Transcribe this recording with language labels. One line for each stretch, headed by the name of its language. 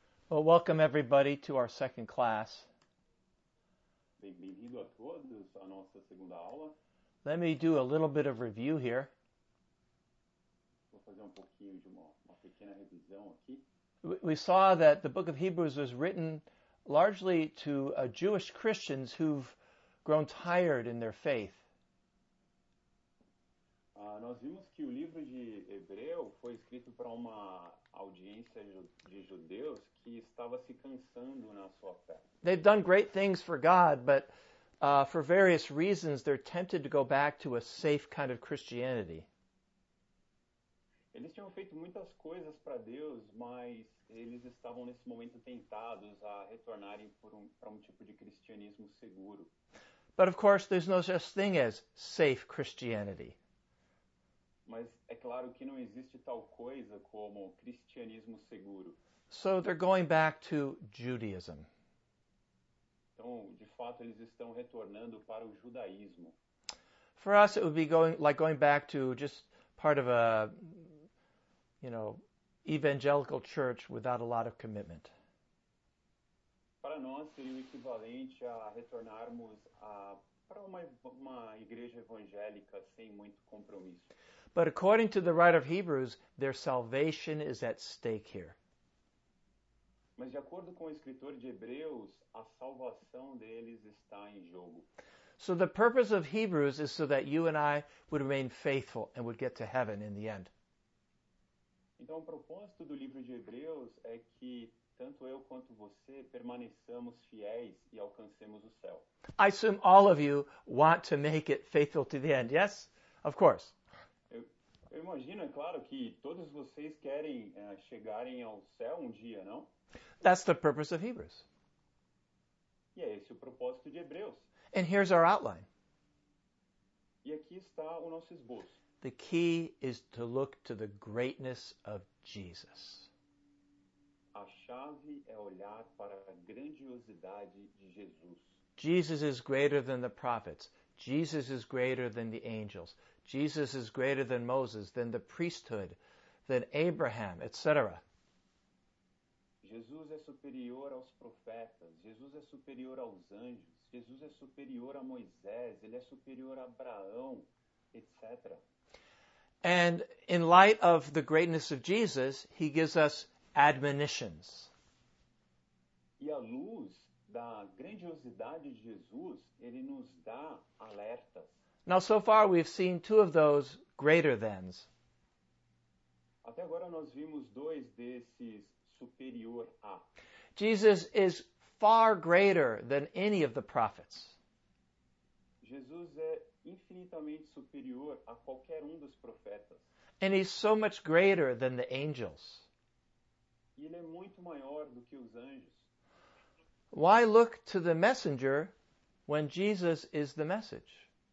English: Well, welcome everybody to our second class.
Portuguese: Bem-vindo a todos à nossa segunda aula.
English: Let me do a little bit of review here.
Portuguese: Vou fazer um pouquinho de uma pequena revisão aqui.
English: We saw that the book of Hebrews was written largely to Jewish Christians who've grown tired in their faith.
Portuguese: Nós vimos que o livro de Hebreu foi escrito para uma audiência de judeus que estava se cansando na sua fé.
English: They've done great things for God, but for various reasons they're tempted to go back to a safe kind of Christianity.
Portuguese: Eles tinham feito muitas coisas para Deus, mas eles estavam nesse momento tentados a retornarem para um tipo de cristianismo seguro.
English: But of course there's no such thing as safe Christianity.
Portuguese: Mas é claro que não existe tal coisa como cristianismo seguro.
English: So they're going back to Judaism.
Portuguese: Então, de fato, eles estão retornando para o judaísmo.
English: For us, it would be going back to just part of a, you know, evangelical church without a lot of commitment.
Portuguese: Para nós, seria o equivalente a retornarmos para uma igreja evangélica sem muito compromisso.
English: But according to the writer of Hebrews, their salvation is at stake here.
Portuguese: Mas de acordo com o escritor de Hebreus, a salvação deles está em jogo.
English: So the purpose of Hebrews is so that you and I would remain faithful and would get to heaven in the end.
Portuguese: Então o propósito do livro de Hebreus é que tanto eu quanto você permaneçamos fiéis e alcancemos o céu.
English: I assume all of you want to make it faithful to the end, yes? Of course.
Portuguese: Eu imagino, é claro, que todos vocês querem chegarem ao céu um dia, não?
English: That's the purpose of Hebrews.
Portuguese: E é esse o propósito de Hebreus.
English: And here's our outline.
Portuguese: E aqui está o nosso esboço.
English: The key is to look to the greatness of Jesus.
Portuguese: A chave é olhar para a grandiosidade de Jesus.
English: Jesus is greater than the prophets. Jesus is greater than the angels. Jesus is greater than Moses, than the priesthood, than Abraham, etc.
Portuguese: Jesus é superior aos profetas. Jesus é superior aos anjos. Jesus é superior a Moisés. Ele é superior a Abraão, etc.
English: And in light of the greatness of Jesus, he gives us admonitions.
Portuguese: E a luz da grandiosidade de Jesus, ele nos dá alertas.
English: Now, so far, we've seen two of those greater thans.
Portuguese: Até agora nós vimos dois desses superior a.
English: Jesus is far greater than any of the prophets.
Portuguese: Jesus é infinitamente superior a qualquer dos profetas.
English: And he's so much greater than the angels.
Portuguese: E ele é muito maior do que os anjos.
English: Why look to the messenger when Jesus is the message?